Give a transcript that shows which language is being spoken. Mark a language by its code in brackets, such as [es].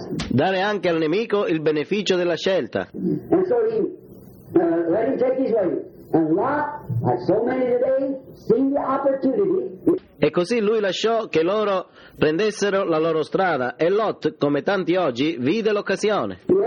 [it] Dare anche al nemico il beneficio della scelta. [en] And so he, let him take his way. And Lot, like so many today, seen the opportunity. [it] E così lui lasciò che loro prendessero la loro strada, e Lot, come tanti oggi, vide l'occasione.